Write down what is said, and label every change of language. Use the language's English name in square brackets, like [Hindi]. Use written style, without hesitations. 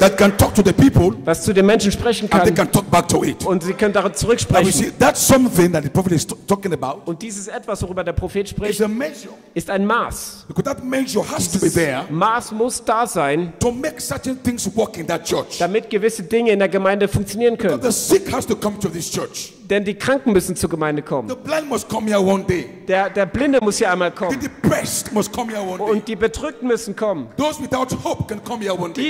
[English] that can talk to the people, [German] was zu den Menschen sprechen kann, [English] and they can talk back to it. [German] Und sie können darauf zurücksprechen. [English] See, that's something that the prophet is talking about. [German] Und dieses Etwas, worüber der Prophet spricht, [English] is a measure. [German] Ist ein Maß. [English] Because that measure has to be there, [German] Maß muss da sein, [English] to make certain things work in that church. [German] Damit gewisse Dinge in der Gemeinde funktionieren können. [English] Because the sick has to come to this church. [German] Denn die Kranken müssen zur Gemeinde kommen. [English] The blind must come here one day. [German] Der Blinde muss hier einmal kommen. [English] The depressed must come here one day. [German] Und die Bedrückten müssen kommen. [English] Those without hope can come here one day.